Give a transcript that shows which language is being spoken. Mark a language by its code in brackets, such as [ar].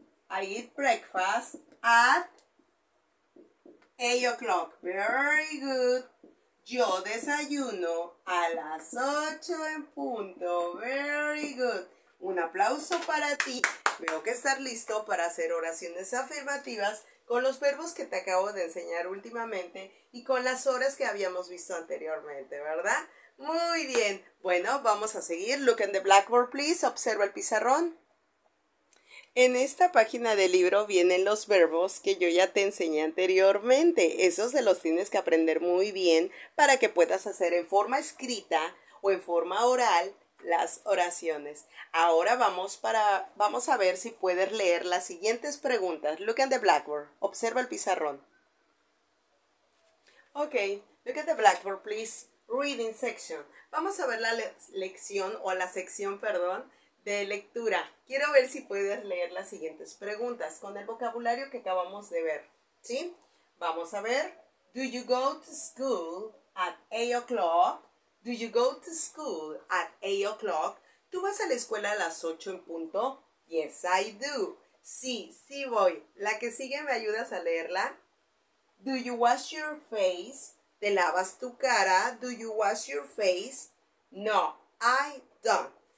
[en] I eat breakfast at 8 o'clock. Very good. [es] Yo desayuno a las 8 en punto. [en] Very good. [es] Un aplauso para ti. Veo que estás listo para hacer oraciones afirmativas con los verbos que te acabo de enseñar últimamente y con las horas que habíamos visto anteriormente, ¿verdad? Muy bien. Bueno, vamos a seguir. [en] Look in the blackboard, please. [es] Observa el pizarrón. En esta página del libro vienen los verbos que yo ya te enseñé anteriormente. Esos se los tienes que aprender muy bien para que puedas hacer en forma escrita o en forma oral las oraciones. Ahora vamos a ver si puedes leer las siguientes preguntas. [en] Look at the blackboard. [es] Observa el pizarrón. [en] Ok, look at the blackboard, please. Reading section. [es] Vamos a ver la sección de lectura. Quiero ver si puedes leer las siguientes preguntas con el vocabulario que acabamos de ver, ¿sí? Vamos a ver. [en] Do you go to school at 8 o'clock? Do you go to school at 8 o'clock? [es] ¿Tú vas a la escuela a las 8 en punto? [en] Yes, I do. [es] Sí, sí voy. La que sigue, ¿me ayudas a leerla? [en] Do you wash your face? [es] ¿Te lavas tu cara? [en] Do you wash your face? No, I Done.